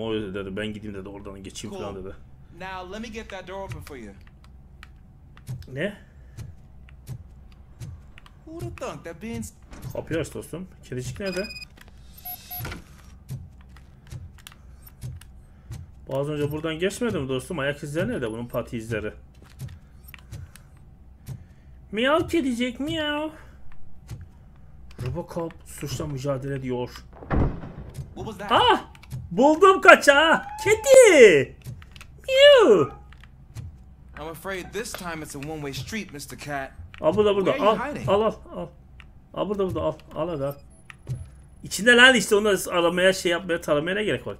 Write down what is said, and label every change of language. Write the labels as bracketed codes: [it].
[tr] O dedi ben gideyim dedi oradan geçeyim falan dedi. [en] Now let me get that door open for you. [tr] Ne? [en] Who'd have thunk that being... [tr] Kapıyı aç dostum. Kedicik nerede? Az önce buradan geçmedi mi dostum? Ayak izleri nerede bunun pati izleri? Miyav kedicik miyav. Robocop suçla mücadele ediyor. Ah! Buldum kaçağı. Kedi! Miyav! [en] I'm afraid this time it's a one-way street, Mr. Cat. [tr] Al burada burada. Al, al al al. Al burada burada al. Al al al. İçinde lan işte onu aramaya şey yapmaya taramaya ne gerek var.